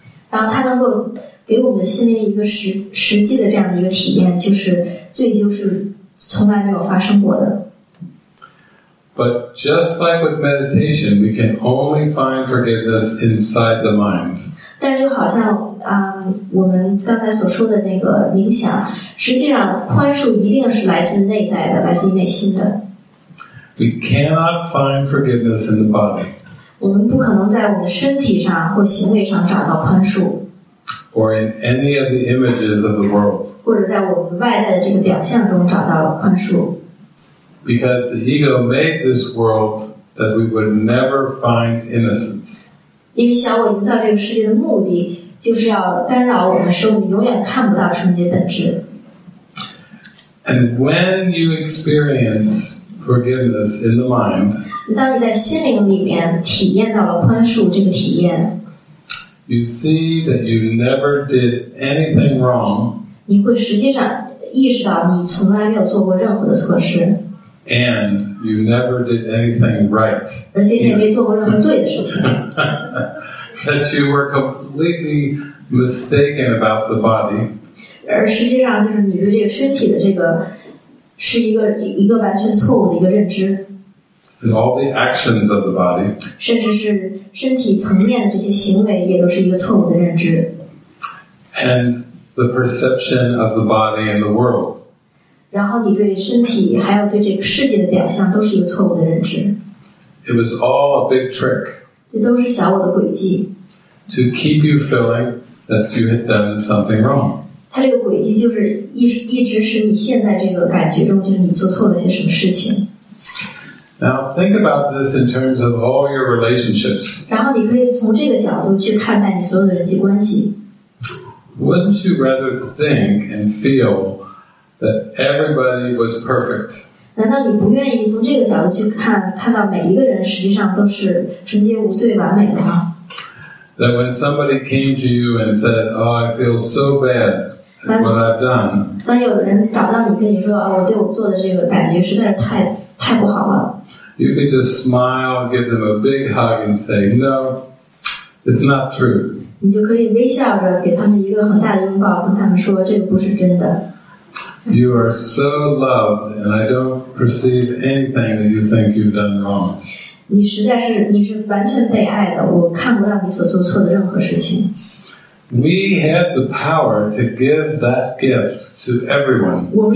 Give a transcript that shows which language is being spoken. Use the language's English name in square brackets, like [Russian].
[Chinese] 然后它能够给我们的心灵一个实际的这样的一个体验，就是罪疚是从来没有发生过的。 [English] But just like with meditation, we can only find forgiveness inside the mind. [Chinese] 但是就好像我们刚才所说的那个冥想，实际上宽恕一定是来自内在的，来自内心的。 [English] We cannot find forgiveness in the body. [Chinese] 我们不可能在我们的身体上或行为上找到宽恕。 [English] Or in any of the images of the world. [Chinese] 或者在我们外在的这个表象中找到宽恕。 [English] Because the ego made this world that we would never find innocence. [Chinese] 因为想我营造这个世界的目的，就是要干扰我们，使我们永远看不到纯洁本质。 [English] And when you experience forgiveness in the mind, [Chinese] 当你在心灵里面体验到了宽恕这个体验， [English] you see that you never did anything wrong. [Chinese] 你会实际上意识到你从来没有做过任何的错事。 [English] And you never did anything right. [Chinese] 而且你也没做过任何对的事情。 [English] That you were completely mistaken about the body. [Chinese] 而实际上就是你对这个身体的这个是一个完全错误的一个认知。 [English] And all the actions of the body. [Chinese] 甚至是身体层面的这些行为也都是一个错误的认知。 [English] And the perception of the body and the world. [Chinese] 然后你对身体还有对这个世界的表象都是一个错误的认知。 [English] It was all a big trick. [Chinese] 这都是小我的诡计。 [English] To keep you feeling that you had done something wrong. [Chinese] 它这个诡计就是一直使你陷在这个感觉中，就是你做错了些什么事情。 [English] Now think about this in terms of all your relationships. [Chinese] 然后你可以从这个角度去看待你所有的人际关系。 [English] Wouldn't you rather think and feel? That everybody was perfect. [Chinese] 难道你不愿意从这个角度去看到每一个人实际上都是纯洁无罪完美的吗？ [English] That when somebody came to you and said, "Oh, I feel so bad at what I've done." [Chinese] 当有人找到你跟你说，我对我做的这个感觉实在是太不好了。 [English] You could just smile, give them a big hug, and say, "No, it's not true." [Chinese] 你就可以微笑着给他们一个很大的拥抱，跟他们说，这个不是真的。 [English] You are so loved, and I don't perceive anything that you think you've done wrong. [Chinese] 你是完全被爱的，我看不到你所做错的任何事情。 [English] We have the power to give that gift to everyone.